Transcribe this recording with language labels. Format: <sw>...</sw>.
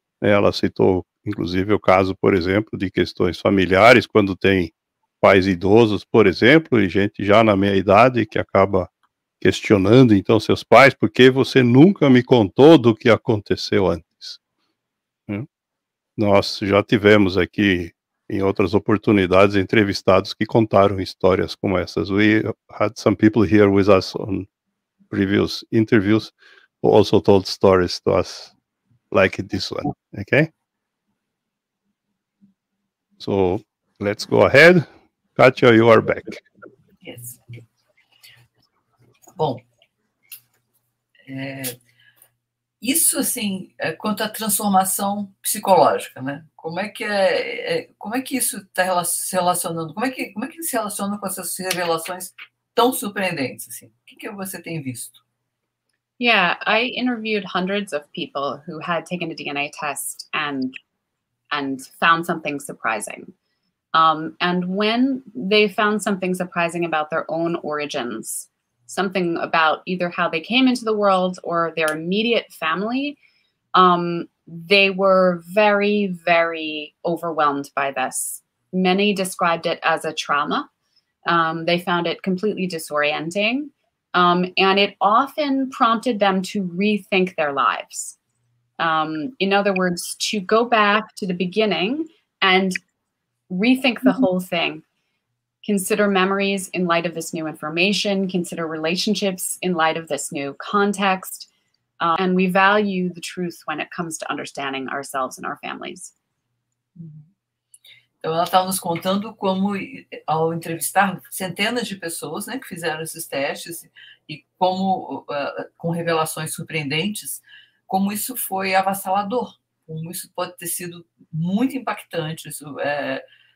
<pt>Ela citou, inclusive, o caso, por exemplo, de questões familiares, quando tem pais idosos, por exemplo, e gente já na meia idade que acaba questionando, então, seus pais, porque você nunca me contou do que aconteceu antes. Nós já tivemos aqui em outras oportunidades, entrevistados que contaram histórias como essas.</pt> <en>We had some people here with us on previous interviews who also told stories to us like this one, okay? So, let's go ahead. Katia, you are back. Yes.</en> <pt>Bom, isso, assim, é quanto à transformação psicológica, né? Como é que isso está se relacionando? Como é que se relaciona com essas revelações tão surpreendentes, assim? O que você tem visto?</pt> <en>Yeah, I interviewed hundreds of people who had taken a DNA test and found something surprising. And when they found something surprising about their own origins, something about either how they came into the world or their immediate family, they were very, very overwhelmed by this. Many described it as a trauma. They found it completely disorienting. And it often prompted them to rethink their lives. In other words, to go back to the beginning and rethink the whole thing. Consider memories in light of this new information, consider relationships in light of this new context, and we value the truth when it comes to understanding ourselves and our families.</en> <pt>Então, ela estava nos contando como, ao entrevistar centenas de pessoas, né, que fizeram esses testes, e como, com revelações surpreendentes, como isso foi avassalador, como isso pode ter sido muito impactante, isso é...</pt>